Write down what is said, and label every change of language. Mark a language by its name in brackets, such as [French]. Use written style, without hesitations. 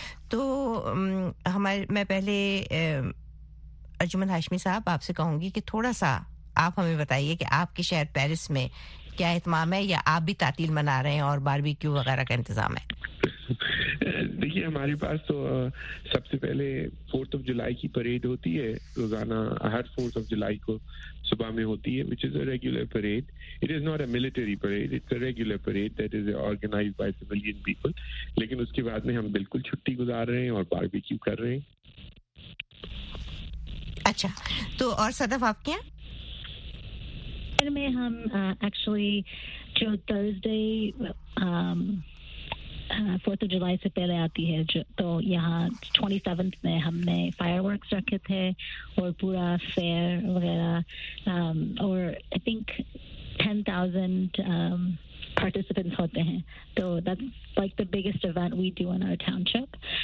[Urdu] تو میں پہلے ارجمن ہاشمی صاحب آپ سے کہوں گی کہ تھوڑا سا آپ ہمیں بتائیے کہ آپ کے شہر پیرس میں کیا اہتمام ہے, یا آپ بھی تعطیل منا رہے ہیں اور باربیکیو وغیرہ کا انتظام ہے؟ دیکھیے, ہمارے پاس تو سب سے پہلے 4th of July کی پریڈ ہوتی ہے روزانہ, ہر 4th of July کو صبح میں ہوتی ہے, [English] which is a regular parade. It is not a military parade, it's a regular parade that is organized by civilian people. [Urdu] لیکن اس کے بعد میں ہم بالکل چھٹی گزار رہے ہیں اور باربیکیو کر رہے ہیں. اچھا, تو اور صدف آپ کیا ہیں؟ میں ہم ایکچولی جو تھرسڈے 4th of July سے پہلے آتی ہے, تو یہاں 27th میں ہم نے فائر ورکس رکھے تھے اور پورا فیئر وغیرہ, اور [English] I think [Urdu] 10,000 participants hote hain, [English] so that's like the biggest event we do in our township.